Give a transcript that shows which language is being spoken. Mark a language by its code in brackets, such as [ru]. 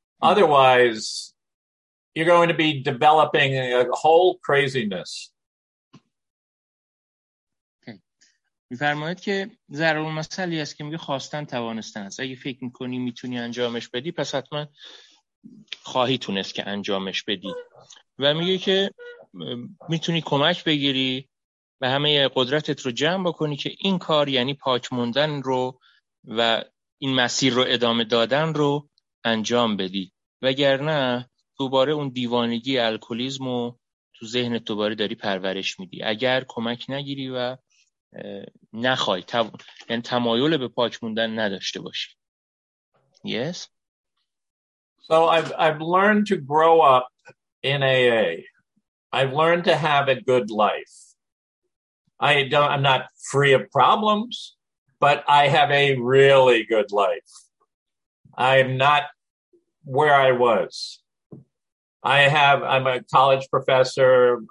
[en] Otherwise, you're going to be developing a whole craziness. [fa] می‌فرماید که ضرب المثلی است که میگه خواستن توانستن است. اگه فکر میکنی میتونی انجامش بدی، پس حتما خواهی تونست که انجامش بدی. و میگه که میتونی کمک بگیری و همه قدرتت رو جمع بکنی که این کار یعنی پاک موندن رو و این مسیر رو ادامه دادن رو انجام بدی، وگرنه دوباره اون دیوانگی الکلیزم رو تو ذهن دوباره داری پرورش میدی. اگر کمک نگیری و نخواهی یعنی تمایل به پاک موندن نداشته باشی. [en] Yes. So I've learned to grow up in AA. I've learned to have a good life. I'm not free of problems, but I have a really good life. I'm not where I was. I'm a college professor.